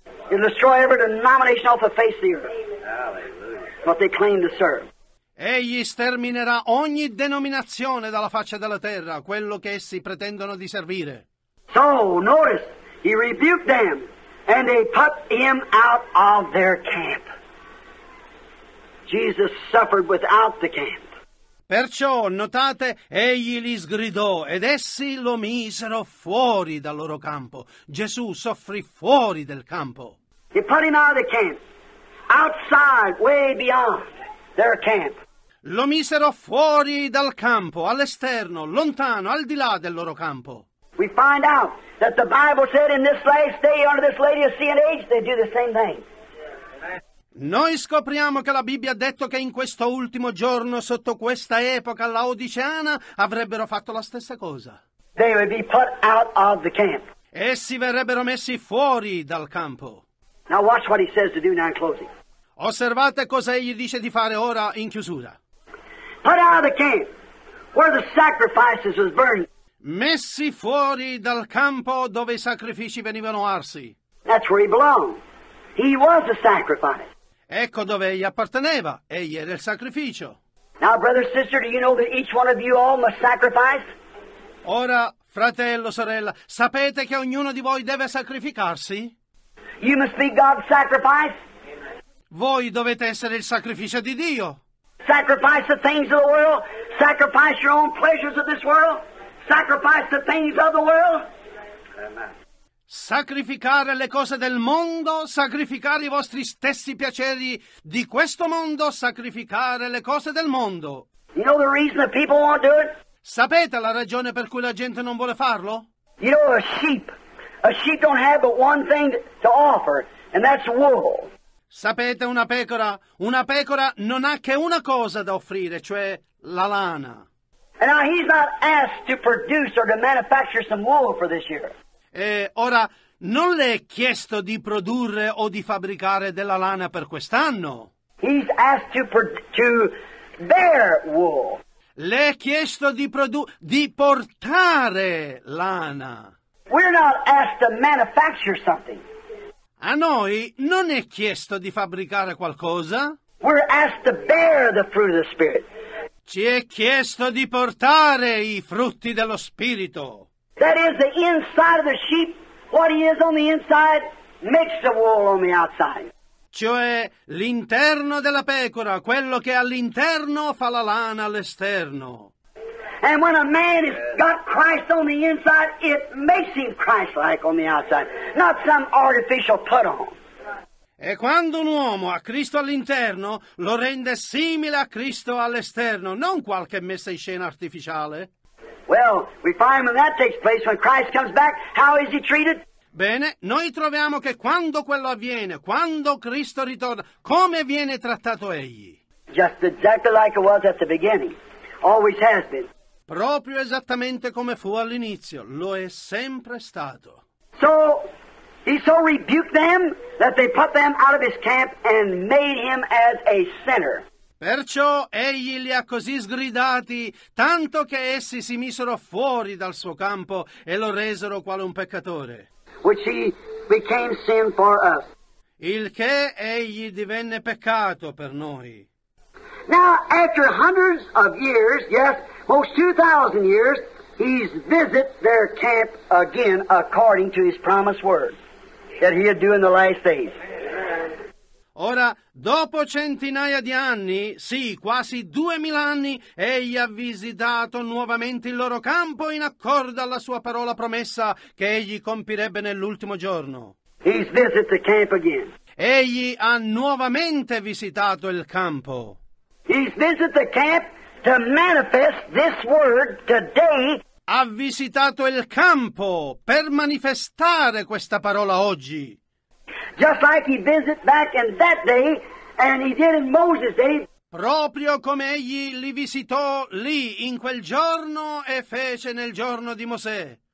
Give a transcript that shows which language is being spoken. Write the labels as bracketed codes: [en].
[en] He'll destroy every denomination off the face of the earth. What they claim to serve. [it] Egli sterminerà ogni denominazione dalla faccia della terra, quello che essi pretendono di servire. [en] So, notice, he rebuked them and they put him out of their camp. Jesus suffered without the camp. [it] Perciò, notate, egli li sgridò ed essi lo misero fuori dal loro campo. Gesù soffrì fuori del campo. [en] He put him out of the camp, outside, way beyond their camp. [it] Lo misero fuori dal campo, all'esterno, lontano, al di là del loro campo. [en] We find out that the Bible said in this place, they under this lady of sin age, they do the same thing. [it] Noi scopriamo che la Bibbia ha detto che in questo ultimo giorno, sotto questa epoca laodiceana, avrebbero fatto la stessa cosa. [en] They would be put out of the camp. [it] Essi verrebbero messi fuori dal campo. [en] Now watch what he says to do now in closing. [it] Osservate cosa egli dice di fare ora in chiusura. [en] put out of the camp where the sacrifices was burned. [it] Messi fuori dal campo dove i sacrifici venivano arsi. [en] That's where he belonged. He was a sacrifice. [it] Ecco dove egli apparteneva. Egli era il sacrificio. [en] Now, brother, sister, do you know that each one of you all must sacrifice? [it] Ora, fratello, sorella, sapete che ognuno di voi deve sacrificarsi? [en] You must be God's sacrifice. [it] Voi dovete essere il sacrificio di Dio. [en] Sacrifice the things of the world. Sacrifice your own pleasures of this world. Sacrifice the things of the world. [it] Sacrificare le cose del mondo, sacrificare i vostri stessi piaceri di questo mondo, sacrificare le cose del mondo. [en] You know the reason that people won't do it? [it] Sapete la ragione per cui la gente non vuole farlo? [en] You know, a sheep don't have but one thing to offer, and that's wool. [it] Sapete una pecora non ha che una cosa da offrire, cioè la lana. [en] And now he's not asked to produce or to manufacture some wool for this year. [it] E ora non le è chiesto di produrre o di fabbricare della lana per quest'anno. [en] He's asked to bear wool. [it] Le è chiesto di portare lana. [en] We're not asked to manufacture something. [it] A noi non è chiesto di fabbricare qualcosa. [en] We're asked to bear the fruit of the Spirit. [it] Ci è chiesto di portare i frutti dello Spirito. [en] That is the inside of the sheep. What he is on the inside makes the wool on the outside. [it] Cioè l'interno della pecora, quello che all'interno fa la lana all'esterno. [en] And when a man has got Christ on the inside, it makes him Christ-like on the outside, not some artificial put-on. [it] E quando un uomo ha Cristo all'interno, lo rende simile a Cristo all'esterno, non qualche messa in scena artificiale. [en] Well, we find when that takes place, when Christ comes back, how is he treated? [it] Bene, noi troviamo che quando quello avviene, quando Cristo ritorna, come viene trattato egli? [en] Just exactly like it was at the beginning. Always has been. [it] Proprio esattamente come fu all'inizio, lo è sempre stato. [en] So, he so rebuked them that they put them out of his camp and made him as a sinner. [it] Perciò egli li ha così sgridati, tanto che essi si misero fuori dal suo campo e lo resero quale un peccatore. [en] Which he became sin for us. [it] Il che egli divenne peccato per noi. [en] Now, after hundreds of years, yes, most 2,000 years, he visits their camp again according to his promised word that he had do in the last days. [it] Ora, dopo centinaia di anni, sì, quasi 2,000 anni, egli ha visitato nuovamente il loro campo in accordo alla sua parola promessa che egli compirebbe nell'ultimo giorno. [en] He's visited the camp again. [it] Egli ha nuovamente visitato il campo. [en] He's visited the camp to manifest this word today. [it] Ha visitato il campo per manifestare questa parola oggi. [en] Just like he visited back in that day, and he did in Moses' day. [it] Proprio come egli li visitò lì in quel giorno e fece nel giorno di Mosè.